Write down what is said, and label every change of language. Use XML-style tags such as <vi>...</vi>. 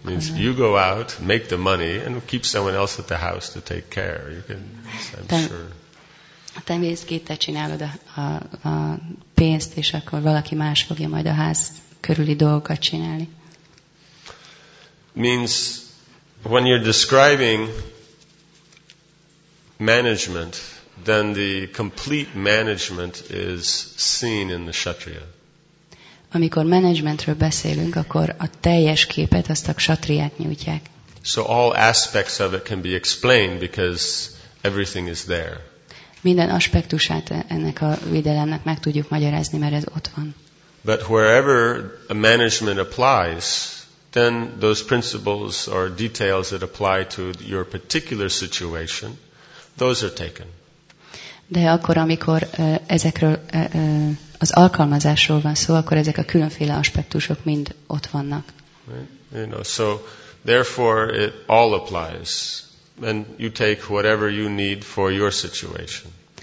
<en>Means you go out, make the money, and keep someone else at the house to take care. You can, I'm sure.</en> <hu>Te mész ki, te csinálod a pénzt, és akkor valaki más fogja majd a ház körüli dolgokat csinálni.</hu> <en>Means when you're describing management, then the complete management is seen in the kshatriya.</en> <hu>Amikor managementről beszélünk, akkor a teljes képet azt a kshatriák nyújtják.</hu> <en>So all aspects of it can be explained because everything is there.</en> <hu>Minden aspektusát ennek a védelemnek meg tudjuk magyarázni, mert ez ott van.</hu> <en>But wherever a management applies, then those principles or details that apply to your particular situation, those are taken.</en> <hu>De akkor, amikor ezekről az alkalmazásról van szó, akkor ezek a különféle aspektusok mind ott vannak.</hu> <en>Right? You know, so therefore it all applies. And you take whatever you need for your situation.</en>